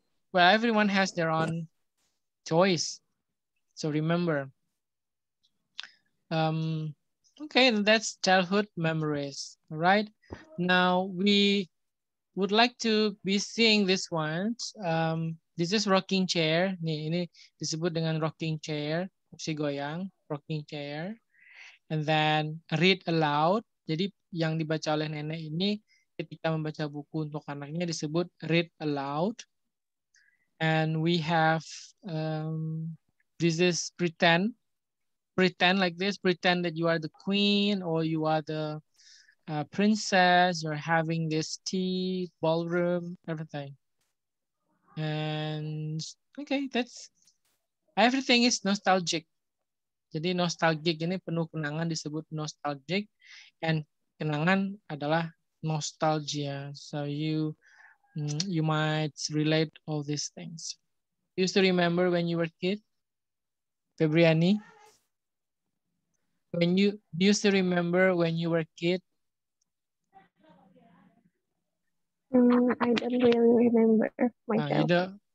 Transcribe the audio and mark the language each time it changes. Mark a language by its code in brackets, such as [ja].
[en] Well, everyone has their own toys. So remember. Okay, that's childhood memories, right? Now, we would like to be seeing this one. This is rocking chair. [id] Nih, ini disebut dengan rocking chair. Kursi goyang, rocking chair. [en] And then read aloud. [id] Jadi yang dibaca oleh nenek ini ketika membaca buku untuk anaknya disebut read aloud. [en] And we have, this is pretend. Pretend like this. Pretend that you are the queen or you are the princess. You're having this tea, ballroom, everything. And okay, that's everything is nostalgic. [id] Jadi nostalgic ini penuh kenangan disebut nostalgic, and kenangan adalah nostalgia. [en] So you might relate all these things. You used to remember when you were a kid, Febriani. When you used to remember when you were a kid. I don't really remember myself.